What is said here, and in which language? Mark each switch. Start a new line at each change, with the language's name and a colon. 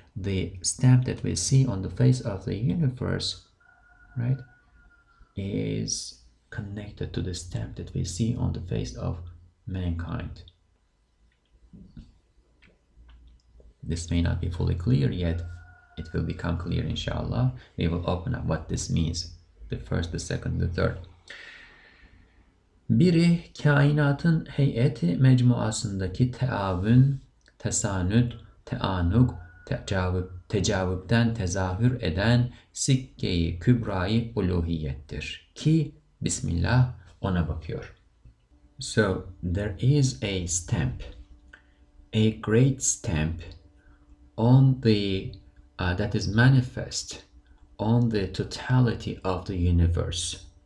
English: The stamp that we see on the face of the universe, right, is connected to the stamp that we see on the face of mankind. This may not be fully clear yet. It will become clear, inshallah. We will open up what this means. The first, the second, the third.
Turkish: Biri kainatın heyeti mecmuasındaki teavün, tesanüt, teanuk, tecavüpten tezahür eden sikkeyi kübrayı uluhiyettir. Ki Bismillah ona bakıyor.
English: So there is a stamp, a great stamp on the that is manifest on the totality of the universe,